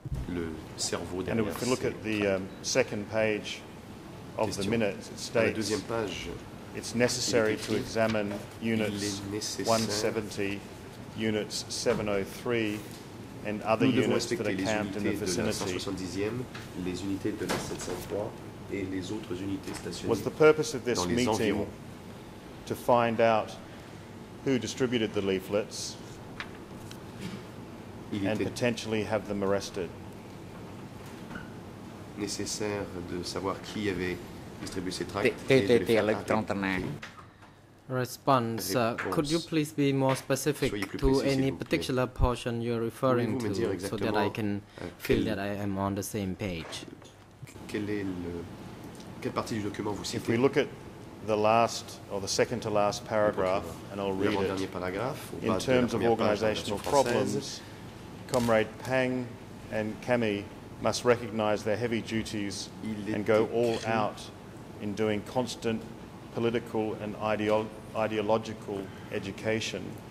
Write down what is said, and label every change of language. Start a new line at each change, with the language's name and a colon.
French: Le cerveau
English: and if we look at the second page of the minutes, it states
French: deuxième page,
English: it's necessary to examine units 170, units 703, and other
French: nous
English: units that are camped in the vicinity.
French: Les unités de la 703 et les autres unités stationnées.
English: Was the purpose of this meeting to find out who distributed the leaflets and potentially have them arrested?
French: Nécessaire de savoir qui avait distribué ces tracts et de les faire arrêter.
English: Response, could you please be more specific to any particular portion you're referring to so that I can feel that I am on the same page?
French: Quelle partie du document vous citez?
English: If we look at the last or the second to last paragraph, and I'll read it, in terms of organizational problems, Comrade Pang and Kami must recognize their heavy duties and go all out in doing constant political and ideological education.